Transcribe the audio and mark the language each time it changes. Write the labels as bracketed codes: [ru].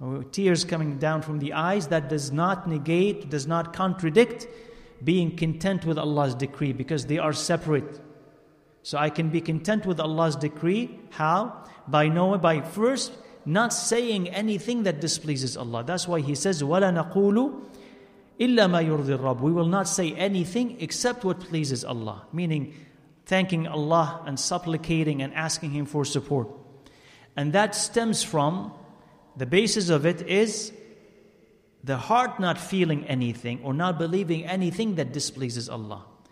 [en] Tears coming down from the eyes, that does not negate, does not contradict being content with Allah's decree, because they are separate. So I can be content with Allah's decree. How? By knowing, by first not saying anything that displeases Allah. That's why he says, [ar] وَلَا نَقُولُ إِلَّا مَا يُرْضِ الرَّبُّ. [en] We will not say anything except what pleases Allah. Meaning, thanking Allah and supplicating and asking Him for support. And that stems from, the basis of it is, the heart not feeling anything or not believing anything that displeases Allah.